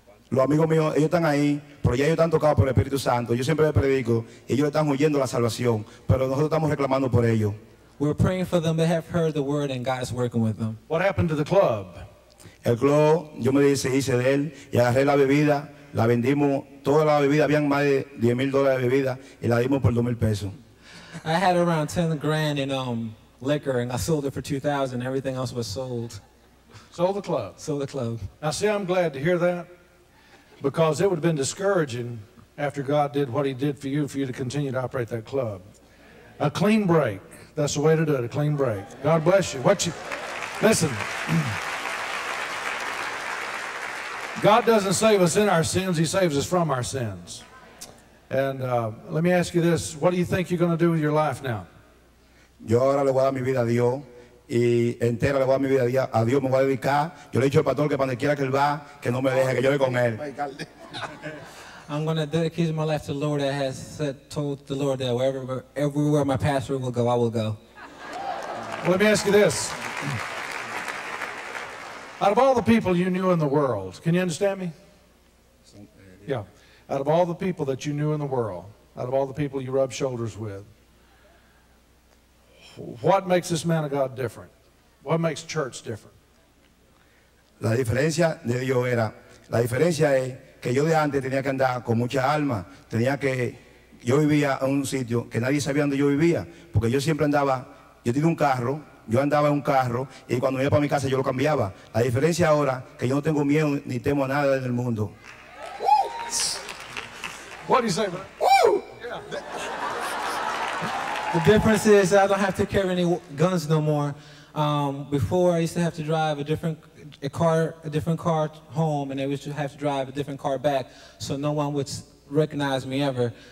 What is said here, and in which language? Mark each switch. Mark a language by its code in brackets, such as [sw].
[es] Los amigos míos, ellos están ahí, pero ya ellos están tocados por el Espíritu Santo. Yo siempre les predico, ellos están huyendo la salvación, pero nosotros estamos reclamando por ellos. [en] We're praying for them. They have heard the word, and God's working with them. What happened to the club? El club, yo me deshice de él, y agarré la bebida, la vendimos, toda la bebida, habían más de $10,000 de bebida, y la dimos por $2,000. I had around $10,000 in liquor, and I sold it for $2,000. Everything else was sold. Sold the club. Now, see, I'm glad to hear that, because it would have been discouraging after God did what he did for you to continue to operate that club. A clean break. That's the way to do it, a clean break. God bless you. Listen. God doesn't save us in our sins, he saves us from our sins. And let me ask you this, what do you think you're going to do with your life now? [es] Yo ahora le voy a dar mi vida a Dios, y entera le voy a dar mi vida a Dios, me voy a dedicar. Yo le he dicho al pastor que cuando quiera que él va, que no me deje, que yo voy con él. [en] I'm going to dedicate my life to the Lord. I have told the Lord that everywhere my pastor will go, I will go. Let me ask you this. Out of all the people you knew in the world, can you understand me? Yeah. Out of all the people that you knew in the world, out of all the people you rubbed shoulders with, what makes this man of God different? What makes church different? [es] La diferencia de Dios era, la diferencia es, que yo de antes tenía que andar con mucha alma, yo vivía en un sitio que nadie sabía dónde yo vivía, porque yo siempre andaba, yo tenía un carro, yo andaba en un carro, y cuando iba para mi casa yo lo cambiaba. La diferencia ahora, que yo no tengo miedo ni temo a nada en el mundo. [en] What do you say, man? Woo! Yeah. The difference is I don't have to carry any guns no more. Before I used to have to drive a different car home, and I used to have to drive a different car back, so no one would recognize me ever.